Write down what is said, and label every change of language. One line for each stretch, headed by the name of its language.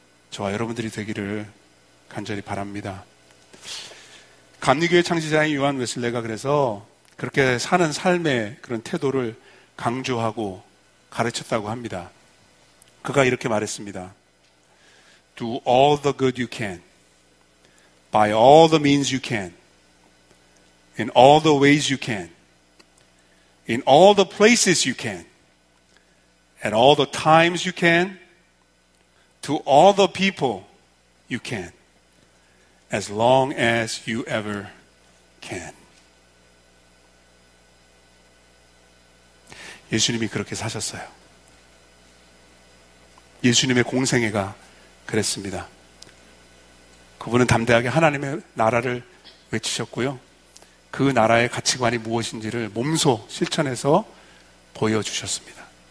Korean: 저와 여러분들이 되기를 간절히 바랍니다. 감리교회 창시자인 요한 웨슬레가 그래서 그렇게 사는 삶의 그런 태도를 강조하고 가르쳤다고 합니다. 그가 이렇게 말했습니다.
English: Do all the good you can by all the means you can in all the ways you can, in all the places you can, at all the times you can, to all the people you can, as long as you ever can.
Korean: 예수님이 그렇게 사셨어요. 예수님의 공생애가 그랬습니다. 그분은 담대하게 하나님의 나라를 외치셨고요. 그 나라의 가치관이 무엇인지를 몸소 실천해서 보여주셨습니다.